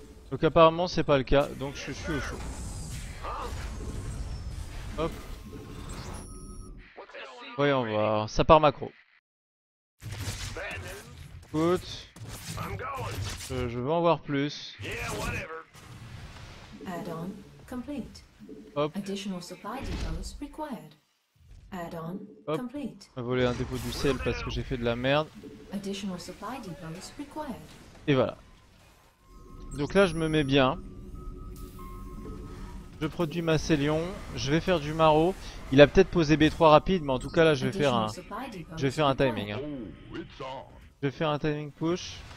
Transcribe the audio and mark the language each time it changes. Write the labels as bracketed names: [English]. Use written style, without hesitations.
[French] Donc apparemment, c'est pas le cas. Donc je suis au chaud. Hop. Voyons voir. Ça part macro. Écoute, je veux en voir plus. [English] Add-on complete. [French] Hop. [English] Additional supply depots required. Add-on complete. [French] On va voler un dépôt du sel parce que j'ai fait de la merde. [English] Additional supply depots required. [French] Et voilà. Donc là, je me mets bien. Je produis ma Célion, je vais faire du Maro. Il a peut-être posé B3 rapide, mais en tout cas là je vais faire un timing. Hein. Je vais faire un timing push.